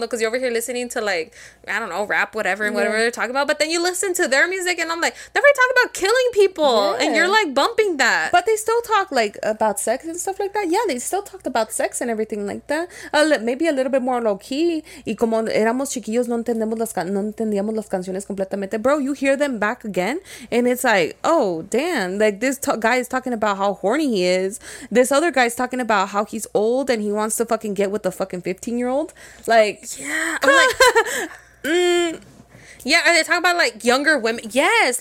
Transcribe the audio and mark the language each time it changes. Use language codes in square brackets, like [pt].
[en] Because you're over here listening to, like, I don't know, rap, whatever, and whatever they're talking about. But then you listen to their music, and I'm like, they're already talking about killing people. Yeah. And you're, like, bumping that. But they still talk, like, about sex and stuff like that. Yeah, they still talked about sex and everything like that. Maybe a little bit more low-key. [es] Y como éramos chiquillos, no entendíamos las canciones completamente. [en] Bro, you hear them back again, and it's like, oh, damn. Like, this guy is talking about how horny he is. This other guy's talking about how he's old and he wants to fucking get with the fucking 15-year-old. Like, yeah. I'm like, yeah, are they talking about, like, younger women? Yes.